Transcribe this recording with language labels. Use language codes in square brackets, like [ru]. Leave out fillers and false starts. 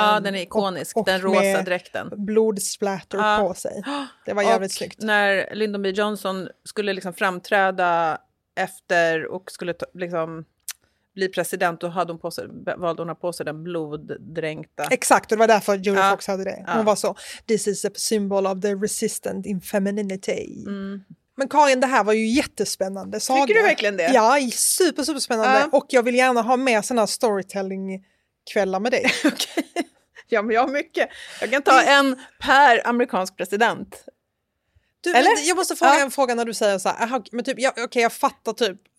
[sv] Ja, den är ikonisk. Och den rosa dräkten. Blodsplatter på sig. Det var jävligt snyggt. När Lyndon B. Johnson skulle liksom framträda efter och skulle liksom bli president, då hade hon på sig, valde hon på sig den bloddränkta. Exakt, och det var därför Julia Fox hade det. Hon var så, [en] this is a symbol of the resistant in femininity. [sv] Mm. Men Karin, det här var ju jättespännande saga. Tycker du verkligen det? Ja, super, super spännande. Och jag vill gärna ha med såna här storytelling-kvällar med dig. Okej. Ja, men jag har mycket. Jag kan ta en per amerikansk president. Du, eller? Jag måste fråga en fråga när du säger så här. Men typ, jag fattar typ.